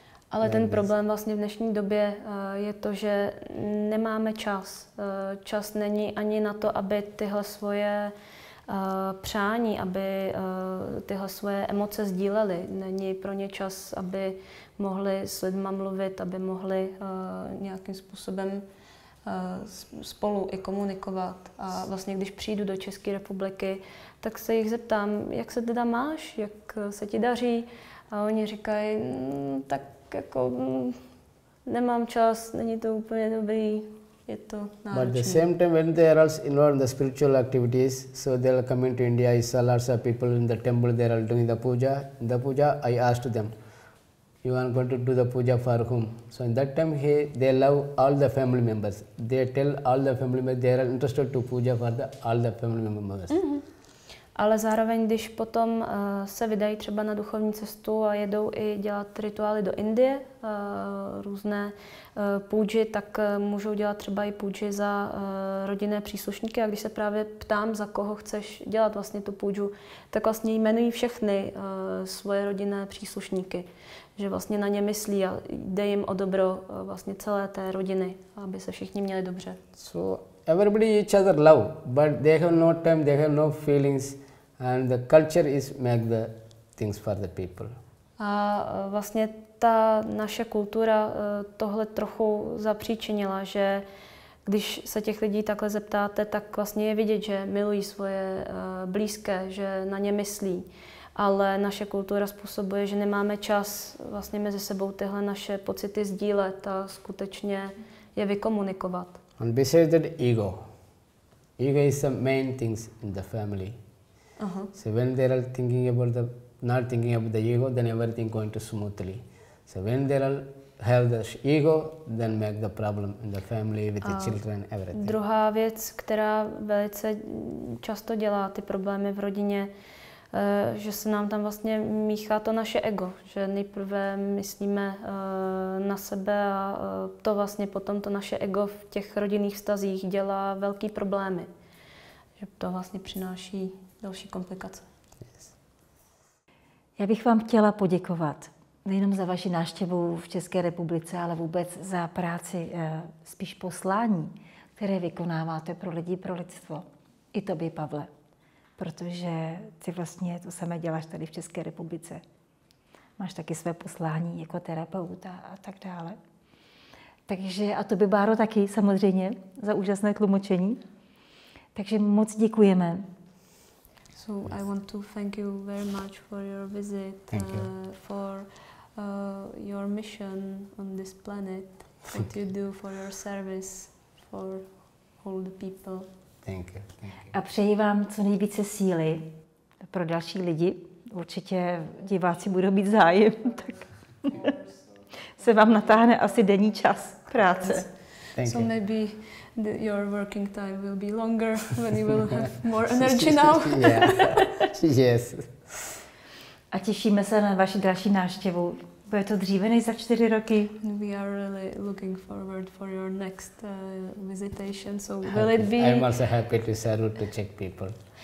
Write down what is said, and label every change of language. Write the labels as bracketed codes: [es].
[cs] Ale then ten problém vlastně v dnešní době je to, že nemáme čas. Čas není ani na to, aby tyhle svoje přání, aby tyhle svoje emoce sdíleli. Není pro ně čas, aby mohli s lidma mluvit, aby mohli nějakým způsobem spolu i komunikovat. A vlastně, když přijdu do České republiky, tak se jich zeptám, jak se teda máš, jak se ti daří. A oni říkají, tak jako nemám čas, není to úplně dobrý, je to náročné. [en] But the same time when they are also involved in the spiritual activities, so they are coming to India, I saw lots of people in the temple, they are doing the puja. In the puja, I asked them, you are going to do the puja for whom? So in that time, they love all the family members. They tell all the family members, they are interested to puja for the, all the family members. [cs] Ale zároveň, když potom se vydají třeba na duchovní cestu a jedou i dělat rituály do Indie, různé půdži, tak můžou dělat třeba i půdži za rodinné příslušníky. A když se právě ptám, za koho chceš dělat vlastně tu půdžu, tak vlastně jmenují všechny svoje rodinné příslušníky, že vlastně na ně myslí a jde jim o dobro vlastně celé té rodiny, aby se všichni měli dobře. [en] So everybody each other love, but they have no time, they have no feelings, and the culture is make the things for the people. [cs] A vlastně ta naše kultura tohle trochu zapříčinila, že když se těch lidí takhle zeptáte, tak vlastně je vidět, že milují svoje blízké, že na ně myslí. Ale naše kultura způsobuje, že nemáme čas vlastně mezi sebou tyhle naše pocity sdílet a skutečně je vykomunikovat. [en] And besides that ego. Ego is the main things in the family. Uh-huh. So when they are thinking about the not thinking about the ego, then everything going to smoothly. So when they all have the ego, then make the problem in the family with the children, everything. [cs] Druhá věc, která velice často dělá ty problémy v rodině, že se nám tam vlastně míchá to naše ego, že nejprve myslíme na sebe a to vlastně potom to naše ego v těch rodinných vztazích dělá velký problémy. Že to vlastně přináší další komplikace. Já bych vám chtěla poděkovat nejenom za vaši návštěvu v České republice, ale vůbec za práci, spíš poslání, které vykonáváte pro lidi, pro lidstvo. I tobě, Pavle. Protože ty vlastně to samé děláš tady v České republice. Máš taky své poslání jako terapeut a tak dále. Takže a tobě, Báro, taky samozřejmě za úžasné tlumočení. Takže moc děkujeme. [en] So I want to thank you very much for your visit, for your mission on this planet, what you do for your service for all the people. Thank you. [cs] A přeji vám co nejvíce síly pro další lidi. Určitě diváci budou mít zájem, tak se vám natáhne asi denní čas práce. [en] Thank you. So maybe your working time will be longer when you will have more energy now. Yes. [cs] A těšíme se na vaši další návštěvu. Bude to dříve než za 4 roky. [en] We are really looking forward for your next visitation. So will it be? I'm also happy to serve to Czech people.